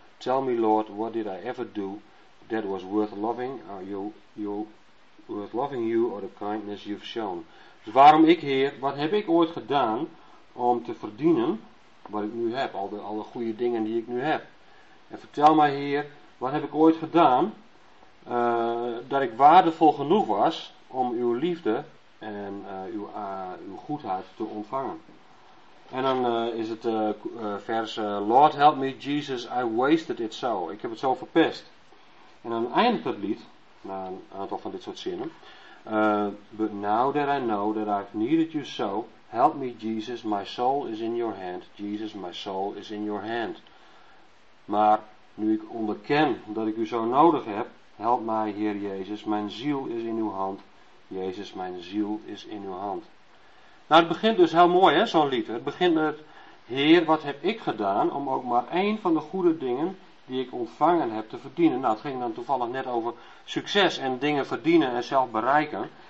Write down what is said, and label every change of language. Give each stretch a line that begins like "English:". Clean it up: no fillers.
English: Tell me, Lord, what did I ever do that was worth loving you, worth loving you or the kindness you've shown.
Dutch: Dus waarom ik, Heer, wat heb ik ooit gedaan om te verdienen wat ik nu heb, alle goede dingen die ik nu heb. En vertel mij, Heer, wat heb ik ooit gedaan dat ik waardevol genoeg was om uw liefde en uw goedheid te ontvangen. En dan is het vers
English: Lord help me Jesus, I wasted it so.
Dutch: Ik heb het zo verpest. En dan eindigt het lied, na een aantal van dit soort zinnen.
English: But now that I know that I've needed you so, help me Jesus, my soul is in your hand. Jesus, my soul is in your hand.
Dutch: Maar nu ik onderken dat ik u zo nodig heb, help mij Heer Jezus, mijn ziel is in uw hand. Jezus, mijn ziel is in uw hand. Nou, het begint dus heel mooi, hè, zo'n lied. Het begint met: Heer, wat heb ik gedaan om ook maar één van de goede dingen die ik ontvangen heb te verdienen? Nou, het ging dan toevallig net over succes en dingen verdienen en zelf bereiken.